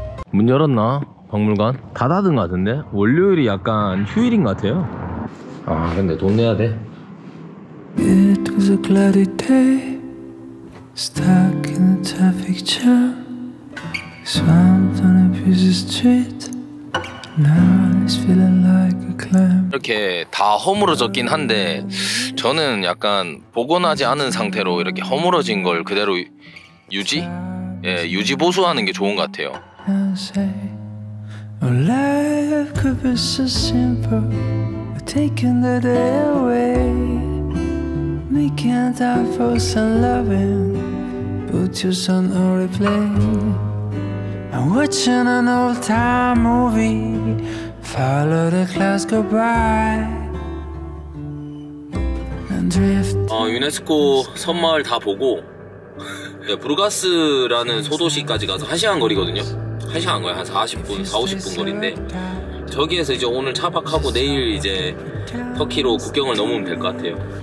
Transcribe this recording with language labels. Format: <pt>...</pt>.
<ko>문 열었나? 박물관? 다 닫은 거 같은데? 월요일이 약간 휴일인 거 같아요. 아 근데 돈 내야 돼.</ko> <en>It was a cloudy day Stuck in a traffic jam Swamped on a busy street Now it's feeling like a clam</en> <ko>이렇게 다 허물어졌긴 한데 저는 약간 복원하지 않은 상태로 이렇게 허물어진 걸 그대로 유지? 예, 유지 보수하는 게 좋은 거 같아요.</ko> <en>Say, oh, life could be so simple, taking the day away, making time for some loving, put your son on replay. I'm watching an old time movie, follow the clouds go by, and drift.</en> <ko>아, 유네스코 섬마을 다 보고, 네, 부르가스라는 소도시까지 가서 1시간 거리거든요. 1시간 한 거예요. 한 40분, 40-50분 거리인데 저기에서 이제 오늘 차박하고 내일 이제 터키로 국경을 넘으면 될 것 같아요.</ko>